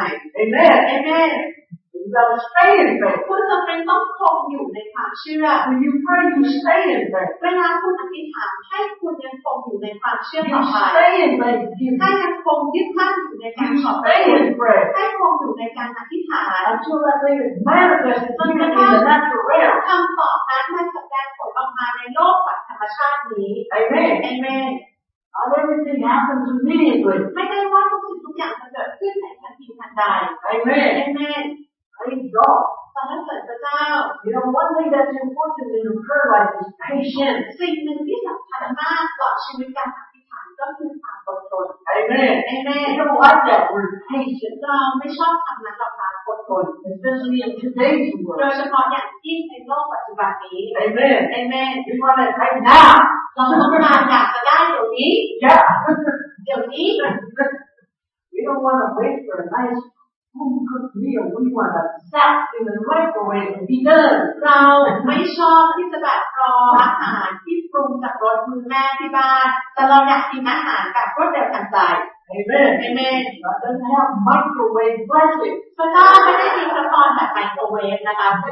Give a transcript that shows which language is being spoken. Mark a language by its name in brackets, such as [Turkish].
[English] Amen. Amen. You gotta stay in faith. [Thai] คุณจะเป็นต้องคงอยู่ในความเชื่อ [English] When you pray, you stay in faith. [Thai] เวลาคุณอธิษฐานให้คุณยังคงอยู่ในความเชื่อต่อไป [English] You stay in faith. [Thai] ให้ยังคงยึดมั่นอยู่ในการขอบ [English] พระคุณ Stay in faith. [Thai] ให้คงอยู่ในการอธิษฐาน [English] I'm sure that they would manifest it in the natural realm. [Thai] คำตอบนั้นมันจะแสดงผลออกมาในโลกฝ่ายธรรมชาตินี้ [English] Amen. Amen. Not everything happens immediately. [Thai] ไม่ได้ว่าทุกสิ่งทุกอย่างจะเกิดขึ้นในทันทีทันใด [English] Amen. Amen. Praise God. [Thai] ตอนนั้นเกิดพระเจ้า [English] You know, one thing that's important in a prayer life is patience. [Thai] สิ่งหนึ่งที่สำคัญมากต่อชีวิตการอธิษฐานก็คือความอดทน [English] Amen. Amen. You know what that word patience. [Thai] เราไม่ชอบคำนั้นหรอกค่ะอดทน [English] Especially in today's world. [Thai] โดยเฉพาะอย่างยิ่งในโลกปัจจุบันนี้ [English] Amen. Amen. You want it right now. [Thai] เราต้องการอยากจะได้เดี๋ยวนี้ [English] yeah. [Thai] เดี๋ยวนี้ [English] We don't want to wait for a nice home cooked meal. We want to sit in the microwave and be done. [Thai] เราไม่ชอบที่จะแบบรออาหารที่ปรุงจากรถมือแม่ที่บ้านแต่เราอยากกินอาหารแบบรวดเร็วทันใจAmen. [English] Doesn't have microwave blessing. [Thai] พระเจ้าไม่ได้มีพระพรแบบไมโครเวฟนะคะ